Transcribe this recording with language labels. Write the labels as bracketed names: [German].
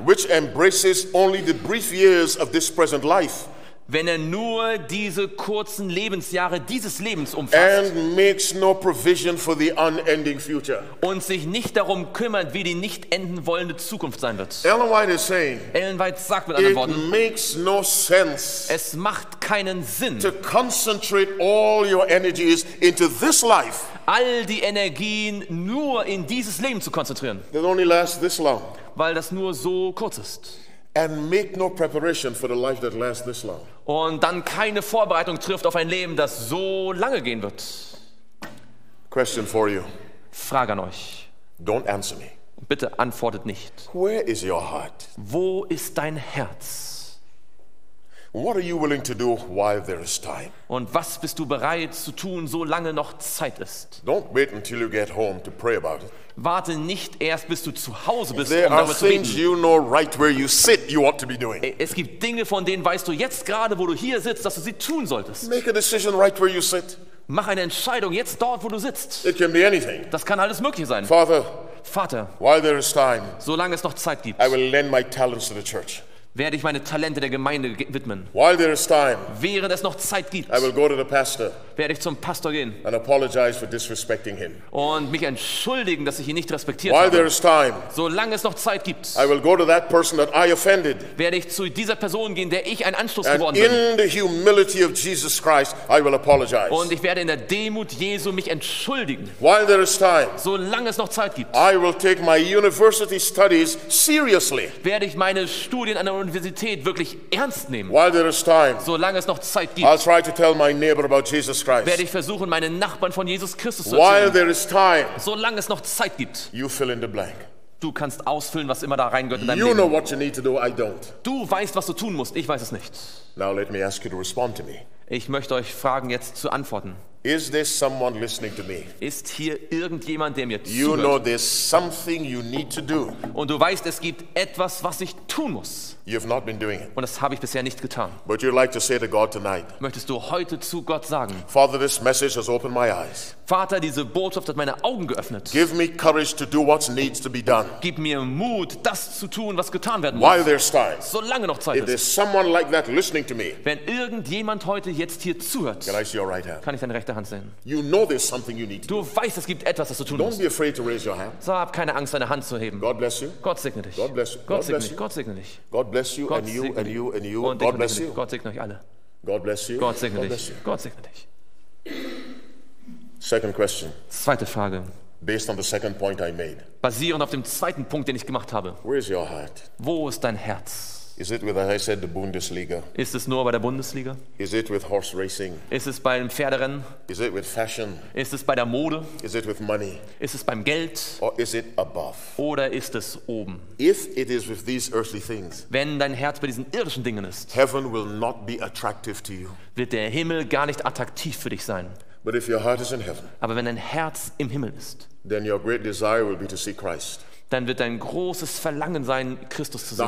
[English] Which embraces only the brief years of this present life. [German] Wenn er nur diese kurzen Lebensjahre dieses Lebens umfasst [English] and makes no provision for the unending future. [German] Und sich nicht darum kümmert, wie die nicht enden wollende Zukunft sein wird. [English] Ellen White, is saying, [German] Ellen White sagt mit anderen Worten, [English] makes no sense [German] es macht keinen Sinn, [English] to concentrate all your energies into this life. [German] All die Energien nur in dieses Leben zu konzentrieren, [English] that only lasts this long. [German] Weil das nur so kurz ist. [English] And make no preparation for the life that lasts this long. [German] Und dann keine Vorbereitung trifft auf ein Leben, das so lange gehen wird. [English] Question for you. [German] Frage an euch. [English] Don't answer me. [German] Bitte antwortet nicht. [English] Where is your heart? [German] Wo ist dein Herz? [English] What are you willing to do while there is time? [German] Und was bist du bereit zu tun, so lange noch Zeit ist? [English] Don't wait until you get home to pray about it. [German] Warte nicht erst, bis du zu Hause bist, [English] there [German] um darüber zu beten. [English] You know right where you sit, you ought to be doing. [German] Es gibt Dinge, von denen weißt du jetzt gerade, wo du hier sitzt, dass du sie tun solltest. [English] Make a decision right where you sit. [German] Mach eine Entscheidung jetzt dort, wo du sitzt. [English] It can be anything. [German] Das kann alles Mögliche sein. [English] Father, [German] Vater, [English] while there is time, [German] solange es noch Zeit gibt, [English] I will lend my talents to the church. [German] werde ich meine Talente der Gemeinde widmen. [English] While there is time, [German] während es noch Zeit gibt, [English] I will go to the pastor, [German] werde ich zum Pastor gehen [English] and apologize for disrespecting him. [German] Und mich entschuldigen, dass ich ihn nicht respektiert [English] While [German] habe. [English] There is time, [German] solange es noch Zeit gibt, [English] I will go to that person that I offended, [German] werde ich zu dieser Person gehen, der ich ein Anstoß [English] and [German] geworden [English] in [German] bin. [English] The humility of Jesus Christ, I will apologize. [German] Und ich werde in der Demut Jesu mich entschuldigen. [English] While there is time, [German] solange es noch Zeit gibt, [English] I will take my university studies seriously. [German] Werde ich meine Studien an der Universität wirklich ernst nehmen. [English] While there is time, [German] solange es noch Zeit gibt, [English] I'll try to tell my neighbor about Jesus Christ. [German] Werde ich versuchen, meinen Nachbarn von Jesus Christus zu [English] While [German] erzählen. [English] There is time, [German] solange es noch Zeit gibt, [English] you fill in the blank. [German] Du kannst ausfüllen, was immer da reingehört in dein [English] you [German] Leben. [English] Know what you need to do, I don't. [German] Du weißt, was du tun musst. Ich weiß es nicht. [English] Now let me ask you to respond to me. [German] Ich möchte euch fragen, jetzt zu antworten. [English] Is this someone listening to me? [German] Ist hier irgendjemand, der mir zuhört? [English] You know there's something you need to do. [German] Und du weißt, es gibt etwas, was ich tun muss. [English] You've not been doing it. [German] Und das habe ich bisher nicht getan. [English] But you'd like to say to God tonight. [German] Möchtest du heute zu Gott sagen? [English] Father, this message has opened my eyes. [German] Vater, diese Botschaft hat meine Augen geöffnet. [English] Give me courage to do what needs to be done. [German] Gib mir Mut, das zu tun, was getan werden [English] While [German] muss. [English] While there's time. [German] Solange noch Zeit [English] If If there's someone like that listening to me. [German] Wenn irgendjemand heute jetzt hier zuhört. [English] Can I see your right hand? [German] Kann ich deine rechte Hand sehen? [English] You know there's something you need to [German] du [English] do. [German] Du weißt, es gibt etwas, das du tun [English] Don't [German] musst. [English] Don't be afraid to raise your hand. [German] So hab keine Angst, deine Hand zu heben. [English] God bless you. [German] Gott segne dich. [English] God bless you. [German] Gott segne [English] bless [German] dich. Gott segne dich. [English] God bless you and you and you and you. God bless you. [German] Gott segne euch alle. [English] God bless you. [German] Gott segne dich. Gott segne dich. [English] Second question. [German] Zweite Frage. [English] Based on the second point I made. [German] Basierend auf dem zweiten Punkt, den ich gemacht habe. [English] Where is your heart? [German] Wo ist dein Herz? [English] Is it with, as I said, the Bundesliga? [German] Ist es nur bei der Bundesliga? [English] Is it with horse racing? [German] Ist es beim Pferderennen? [English] Is it with fashion? [German] Ist es bei der Mode? [English] Is it with money? [German] Ist es beim Geld? [English] Or is it above? [German] Oder ist es oben? [English] If it is with these earthly things, [German] wenn dein Herz bei diesen irdischen Dingen ist, [English] heaven will not be attractive to you. [German] Wird der Himmel gar nicht attraktiv für dich sein. [English] But if your heart is in heaven, [German] aber wenn dein Herz im Himmel ist, [English] then your great desire will be to see Christ. [German] Dann wird dein großes Verlangen sein, Christus zu sehen.